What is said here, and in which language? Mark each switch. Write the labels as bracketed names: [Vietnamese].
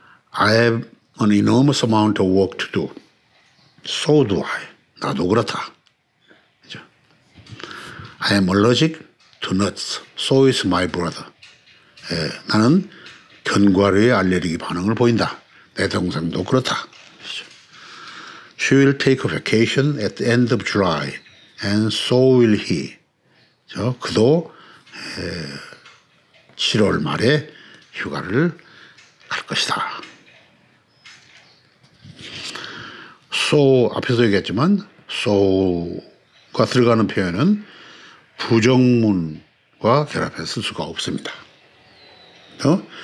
[English] I have an enormous amount of work to do. So do I. [Korean] 나도 그렇다. 그렇죠? [English] I am allergic to nuts. So is my brother. [Korean] 예, 나는 견과류의 알레르기 반응을 보인다. 내 동생도 그렇다. [English] She will take a vacation at the end of July. And so will he. [Korean] 그렇죠? 그도 7월 말에 휴가를 갈 것이다. So 앞에서 얘기했지만 so가 들어가는 표현은 부정문과 결합했을 수가 없습니다. 어?